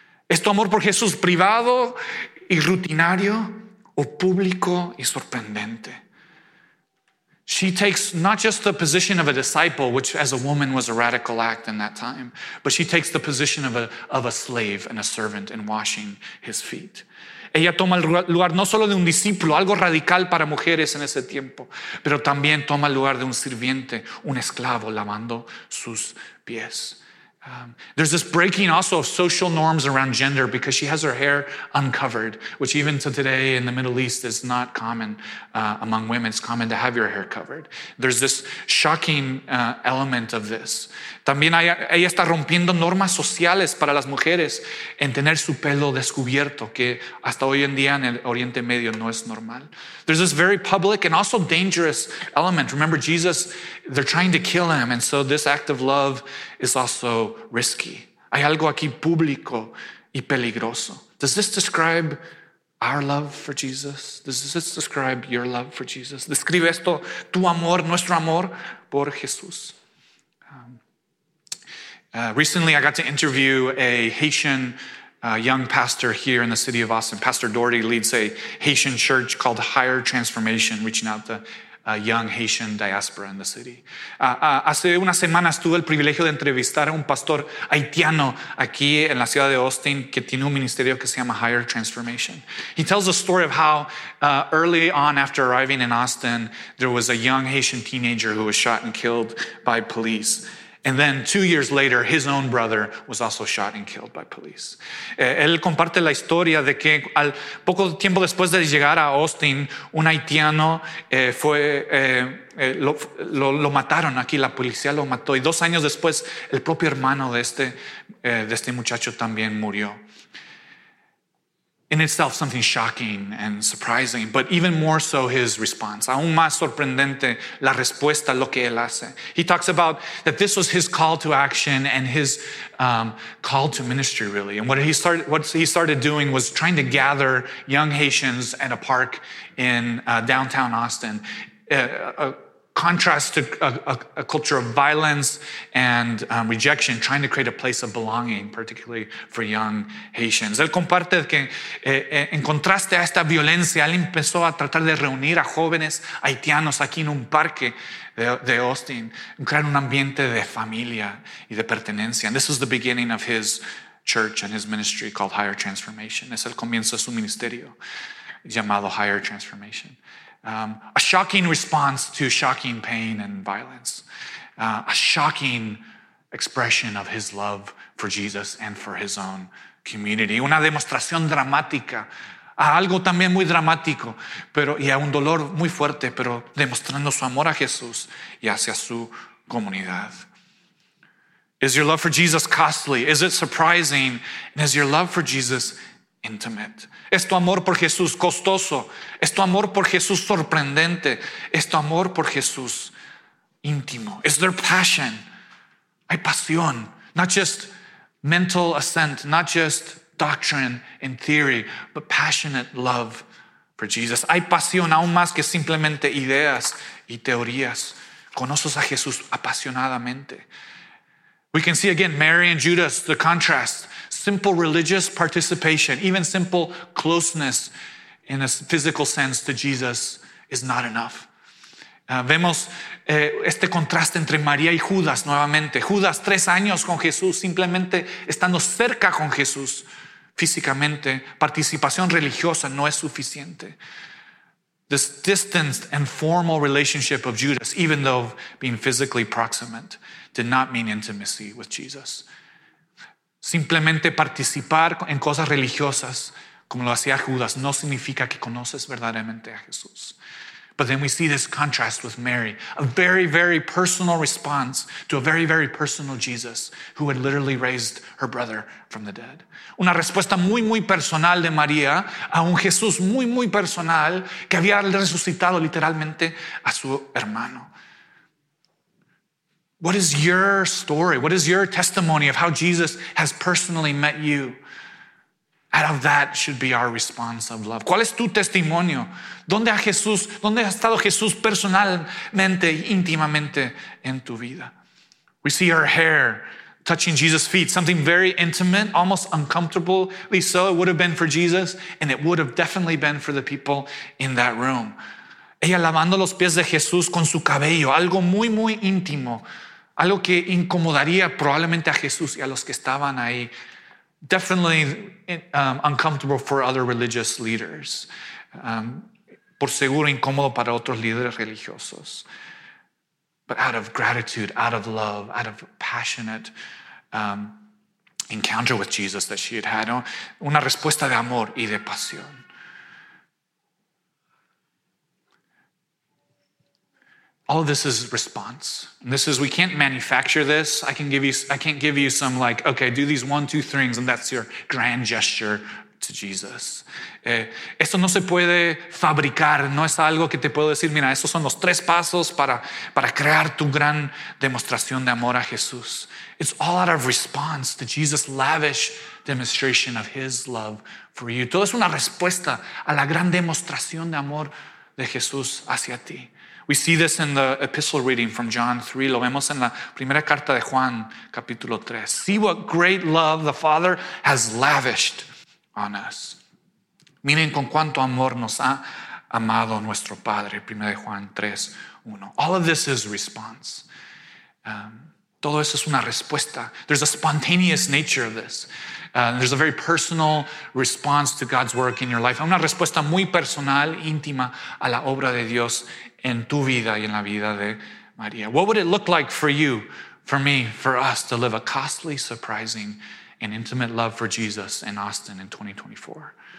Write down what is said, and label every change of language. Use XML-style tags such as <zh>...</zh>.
<es>¿Es tu amor por Jesús privado y rutinario o público y sorprendente?</es> <en>She takes not just the position of a disciple, which as a woman was a radical act in that time, but she takes the position of a slave and a servant in washing his feet.</en> <es>Ella toma el lugar no solo de un discípulo, algo radical para mujeres en ese tiempo, pero también toma el lugar de un sirviente, un esclavo, lavando sus pies.</es> <en>There's this breaking also of social norms around gender because she has her hair uncovered, which even to today in the Middle East is not common among women. It's common to have your hair covered. There's this shocking element of this.</en> <es>También ella está rompiendo normas sociales para las mujeres en tener su pelo descubierto, que hasta hoy en día en el Oriente Medio no es normal.</es> <en>There's this very public and also dangerous element. Remember Jesus, they're trying to kill him, and so this act of love is also risky.</en> <es>Hay algo aquí público y peligroso.</es> <en>Does this describe our love for Jesus? Does this describe your love for Jesus?</en> <es>¿Describe esto tu amor, nuestro amor por Jesús?</es> <en>Recently, I got to interview a Haitian young pastor here in the city of Austin. Pastor Doherty leads a Haitian church called Higher Transformation, reaching out to a young Haitian diaspora in the city.</en> <es>Hace unas semanas tuve el privilegio de entrevistar a un pastor haitiano aquí en la ciudad de Austin que tiene un ministerio que se llama Higher Transformation.</es> <en>He tells a story of how early on after arriving in Austin, there was a young Haitian teenager who was shot and killed by police. And then 2 years later, his own brother was also shot and killed by police.</en> <es>Él comparte la historia de que al poco tiempo después de llegar a Austin, un haitiano lo mataron aquí, la policía lo mató. Y 2 años después, el propio hermano de este muchacho también murió.</es> <en>In itself, something shocking and surprising, but even more so his response.</en> <es>Aún más sorprendente la respuesta, lo que él hace.</es> <en>He talks about that this was his call to action and his call to ministry, really. And what he started doing was trying to gather young Haitians at a park in downtown Austin. Contrast to a culture of violence and rejection, trying to create a place of belonging, particularly for young Haitians.</en> <es>Él comparte que en contraste a esta violencia, él empezó a tratar de reunir a jóvenes haitianos aquí en un parque de Austin, crear un ambiente de familia y de pertenencia.</es> <en>And this was the beginning of his church and his ministry called Higher Transformation.</en> <es>Es el comienzo de su ministerio llamado Higher Transformation.</es> <en>A shocking response to shocking pain and violence. A shocking expression of his love for Jesus and for his own community.</en> <es>Una demostración dramática. Algo también muy dramático, pero y a un dolor muy fuerte, pero demostrando su amor a Jesús y hacia su comunidad.</es> <en>Is your love for Jesus costly? Is it surprising? And is your love for Jesus intimate?</en> <es>¿Es tu amor por Jesús costoso? ¿Es tu amor por Jesús sorprendente? ¿Es tu amor por Jesús íntimo?</es> <en>Is there passion?</en> <es>Hay pasión.</es> <en>Not just mental assent, not just doctrine in theory, but passionate love for Jesus.</en> <es>Hay pasión aún más que simplemente ideas y teorías. ¿Conoces a Jesús apasionadamente?</es> <en>We can see again Mary and Judas, the contrast. Simple religious participation, even simple closeness in a physical sense to Jesus is not enough.</en> <es>Vemos este contraste entre María y Judas nuevamente. Judas, 3 años con Jesús, simplemente estando cerca con Jesús físicamente. Participación religiosa no es suficiente.</es> <en>This distanced and formal relationship of Judas, even though being physically proximate, did not mean intimacy with Jesus.</en> <es>Simplemente participar en cosas religiosas como lo hacía Judas no significa que conoces verdaderamente a Jesús.</es> <en>But then we see this contrast with Mary, a very, very personal response to a very, very personal Jesus who had literally raised her brother from the dead.</en> <es>Una respuesta muy, muy personal de María a un Jesús muy, muy personal que había resucitado literalmente a su hermano.</es> <en>What is your story? What is your testimony of how Jesus has personally met you? Out of that should be our response of love.</en> <es>¿Cuál es tu testimonio? ¿Dónde ha estado Jesús personalmente, íntimamente en tu vida?</es> <en>We see her hair touching Jesus' feet, something very intimate, almost uncomfortably so. It would have been for Jesus, and it would have definitely been for the people in that room.</en> <es>Ella lavando los pies de Jesús con su cabello, algo muy, muy íntimo, algo que incomodaría probablemente a Jesús y a los que estaban ahí.</es> <en>Definitely uncomfortable for other religious leaders.</en> <es>Por seguro incómodo para otros líderes religiosos.</es> <en>But out of gratitude, out of love, out of passionate encounter with Jesus that she had had,</en> <es>una respuesta de amor y de pasión.</es> <en>All of this is response. And this is, we can't manufacture this. I can't give you some like, okay, do these one, two things, and that's your grand gesture to Jesus.</en> <es>Esto no se puede fabricar. No es algo que te puedo decir, mira, estos son los tres pasos para crear tu gran demostración de amor a Jesús.</es> <en>It's all out of response to Jesus' lavish demonstration of his love for you.</en> <es>Todo es una respuesta a la gran demostración de amor de Jesús hacia ti.</es> <en>We see this in the epistle reading from John 3.</en> <es>Lo vemos en la primera carta de Juan, capítulo 3.</es> <en>See what great love the Father has lavished on us.</en> <es>Miren con cuánto amor nos ha amado nuestro Padre. Primera de Juan 3:1.</es> <en>All of this is response.</en> <es>Todo eso es una respuesta.</es> <en>There's a spontaneous nature of this. There's a very personal response to God's work in your life.</en> <es>Una respuesta muy personal, íntima a la obra de Dios en tu vida y en la vida de María.</es> <en>What would it look like for you, for me, for us to live a costly, surprising, and intimate love for Jesus in Austin in 2024?</en>